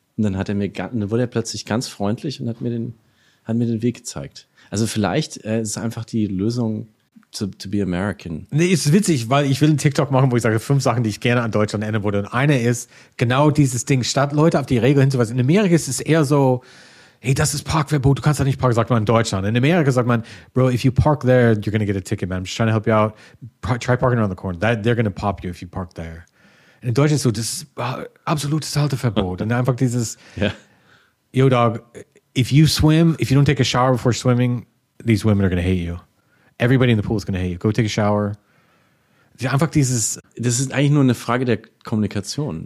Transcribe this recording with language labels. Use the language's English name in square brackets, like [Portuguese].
[German] Und dann wurde er plötzlich ganz freundlich und hat mir den Weg gezeigt. Also vielleicht ist es einfach die Lösung [English] to be American. [German] Nee, ist witzig, weil ich will einen TikTok machen, wo ich sage, 5 Sachen, die ich gerne an Deutschland ändern würde. Und eine ist genau dieses Ding, statt Leute auf die Regel hinzuweisen. In Amerika ist es eher so, hey, das ist Parkverbot, du kannst da nicht parken, sagt man in Deutschland. In Amerika sagt man, [English] bro, if you park there, you're gonna get a ticket, man. I'm just trying to help you out. Try parking around the corner. They're gonna pop you if you park there. [German] In Deutschland ist so, das ist absolutes Halteverbot. Und einfach dieses, yeah. [English] Yo, dog, if you swim, if you don't take a shower before swimming, these women are gonna hate you. Everybody in the pool is gonna hate you. Go take a shower. [German] Einfach dieses. Das ist eigentlich nur eine Frage der Kommunikation.